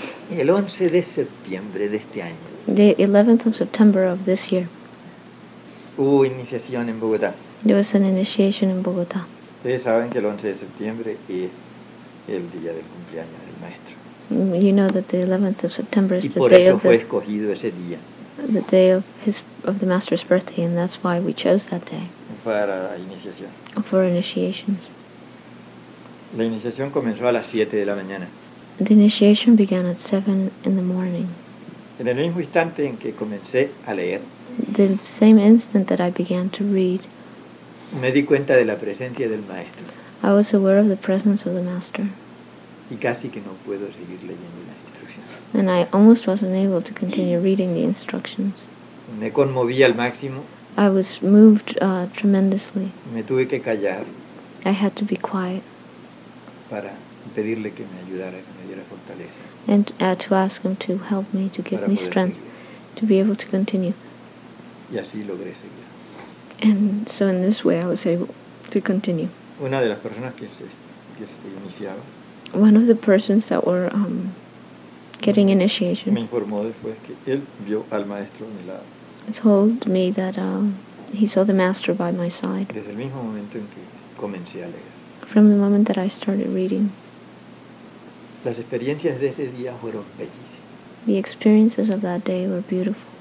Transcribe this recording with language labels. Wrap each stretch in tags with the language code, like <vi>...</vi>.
<es>El 11 de septiembre de este año.</es> <en>The 11th of September of this year.</en> <es>Hubo iniciación en Bogotá.</es> <en>There was an initiation in Bogotá.</en> <es>Ustedes saben que el 11 de septiembre es el día del cumpleaños del maestro.</es> <en>You know that the 11th of September is</en> <es>y</es> <en>the day of</en> <es>the. Y por eso fue escogido ese día.</es> <en>The day of his of the master's birthday, and that's why we chose that day.</en> <es>Para iniciación.</es> <en>For initiations.</en> <es>La iniciación comenzó a las 7 de la mañana.</es> <en>The initiation began at 7 in the morning.</en> <es>En el mismo instante en que comencé a leer,</es> <en>the same instant that I began to read,</en> <es>me di cuenta de la presencia del maestro.</es> <en>I was aware of the presence of the master.</en> <es>Y casi que no puedo seguir leyendo las instrucciones.</es> <en>And I almost wasn't able to continue reading the instructions.</en> <es>Me conmoví al máximo.</es> <en>I was moved tremendously.</en> <es>Me tuve que callar.</es> <en>I had to be quiet.</en> <es>Para pedirle que me ayudara, que me diera fortaleza.</es> <en>And to ask him to help me, to give me strength, to be able to continue.</en> <es>Y así logré seguir.</es> <en>And so in this way I was able to continue.</en> <es>Una de las personas que se iniciaba.</es> <en>One of the persons that were getting initiation.</en> <es>Me informó después que él vio al maestro a mi lado.</es> <en>Told me that he saw the master by my side.</en> <es>Desde el mismo momento en que comencé a leer.</es> <en>From the moment that I started reading.</en> <es>Las experiencias de ese día fueron bellísimas.</es> <en>The experiences of that day were beautiful.</en>